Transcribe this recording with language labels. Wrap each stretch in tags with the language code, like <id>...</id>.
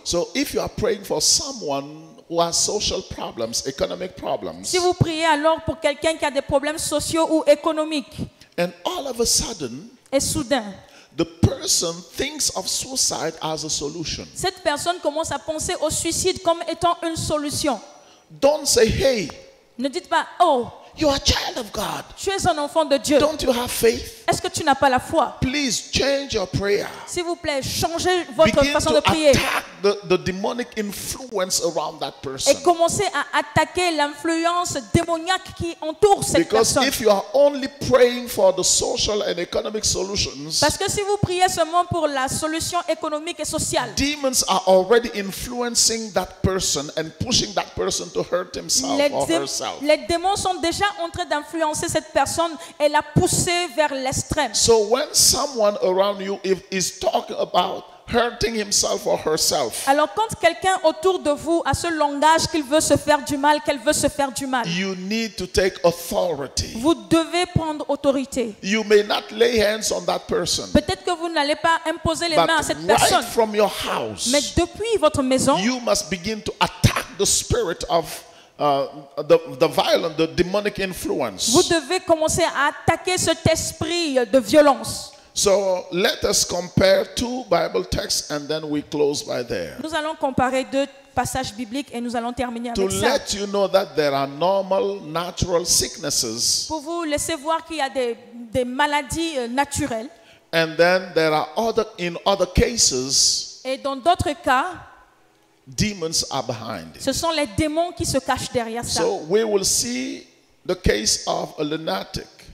<en>So if you are praying for someone who has social problems, economic problems.</en> <fr>Si vous priez alors pour quelqu'un qui a des problèmes sociaux ou économiques.</fr> <en>And all of a sudden.</en> <fr>Et soudain.</fr> <en>The person thinks of suicide as a solution.</en> <fr>Cette personne commence à penser au suicide comme étant une solution.</fr> <en>Don't say hey.</en> <fr>Ne dites pas oh.</fr> <en>You are a child of God.</en> <fr>Tu es un enfant de Dieu.</fr> <en>Don't you have faith?</en> <fr>Est-ce que tu n'as pas la foi?</fr> <en>Please change your prayer.</en> <fr>S'il vous plaît, changez votre</fr> <en>Begin</en> <fr>façon de prier.</fr> <en>Begin to attack the demonic influence around that person.</en> <fr>Et commencez à attaquer l'influence démoniaque qui entoure cette</fr> <en>Because</en> <fr>personne.</fr> <en>Because if you are only praying for the social and economic solutions.</en> <fr>Parce que si vous priez seulement pour la solution économique et sociale.</fr> <en>Demons are already influencing that person and pushing that person to hurt himself or herself.</en> <fr>Les démons sont déjà en train d'influencer cette personne et la pousser vers l'extrême.</fr> <en>So when someone around you is talking about hurting himself or herself,</en> <fr>alors quand quelqu'un autour de vous a ce langage qu'il veut se faire du mal, qu'elle veut se faire du mal,</fr> <en>you need to take authority.</en> <fr>Vous devez prendre autorité.</fr> <en>You may not lay hands on that person.</en> <fr>Peut-être que vous n'allez pas imposer les mains à cette</fr> <en>right</en> <fr>personne.</fr> <en>From your house,</en> <fr>mais depuis votre maison,</fr> <en>you must begin to attack the spirit of the violent, the demonic influence.</en> <fr>Vous devez commencer à attaquer cet esprit de violence.</fr> <en>So let us compare two Bible texts and then we close by there.</en> <fr>Nous allons comparer deux passages bibliques et nous allons terminer</fr> <en>to</en> <fr>avec ça.</fr> <en>To let you know that there are normal, natural sicknesses.</en> <fr>Pour vous laisser voir qu'il y a des maladies naturelles.</fr> <en>And then there are other in other cases.</en> <fr>Et dans d'autres cas.</fr> <en>Demons are behind it.</en> <fr>Ce sont les démons qui se cachent derrière ça.</fr> <en>So we will see the case of a lunatic.</en>